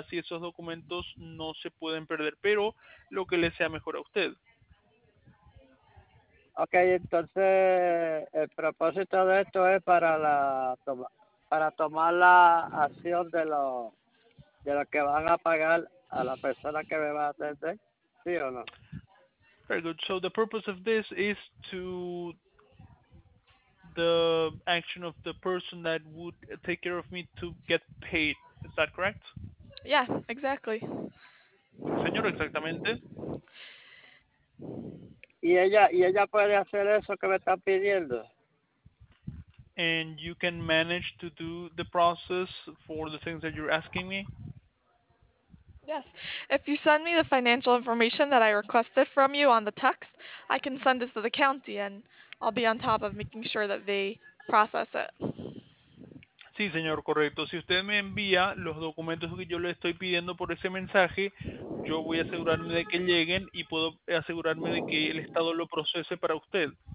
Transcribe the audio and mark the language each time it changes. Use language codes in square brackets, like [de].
[es] Así esos documentos no se pueden perder, pero lo que le sea mejor a usted. Okay, entonces el propósito de esto es para tomar la acción de lo que van a pagar a la persona que me va a atender, ¿sí o no? [en] Very good. So the purpose of this is to the action of the person that would take care of me to get paid. Is that correct? Yeah, exactly. [es] Señor, exactamente. ¿Y ella puede hacer eso que me está pidiendo? [en] And you can manage to do the process for the things that you're asking me? Yes. If you send me the financial information that I requested from you on the text, I can send it to the county and I'll be on top of making sure that they process it. [es] Sí, señor, correcto. Si usted me envía los documentos que yo le estoy pidiendo por ese mensaje, yo voy a asegurarme de que lleguen y puedo asegurarme de que el Estado lo procese para usted.